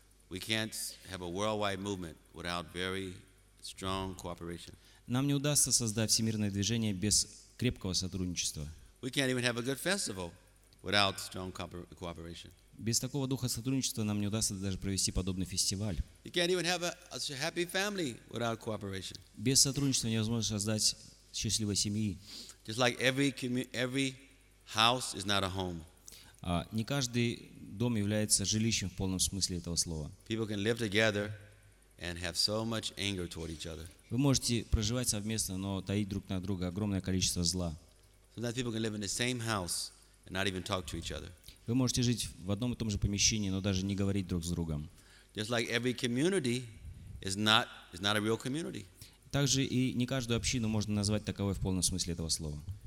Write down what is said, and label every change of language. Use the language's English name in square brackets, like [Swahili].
[English] We can't have a worldwide movement without very strong cooperation. [Russian] Нам не удастся создать всемирное движение без крепкого сотрудничества. [English] We can't even have a good festival without strong cooperation. [Russian] Без такого духа сотрудничества нам не удастся даже провести подобный фестиваль. [English] You can't even have a happy family without cooperation. [Russian] Без сотрудничества невозможно создать счастливой семьи. [English] Just like every house is not a home. [Russian] Не каждый дом является жилищем в полном смысле этого слова. [English] People can live together and have so much anger toward each other. [Russian] Вы можете проживать совместно, но таить друг на друга огромное количество зла. [English] Sometimes people can live in the same house and not even talk to each other. [Russian] Вы можете жить в одном и том же помещении, но даже не говорить друг с другом. [English] Just like every community is not a real community. [Russian] Также и не каждую общину можно назвать таковой в полном смысле этого слова.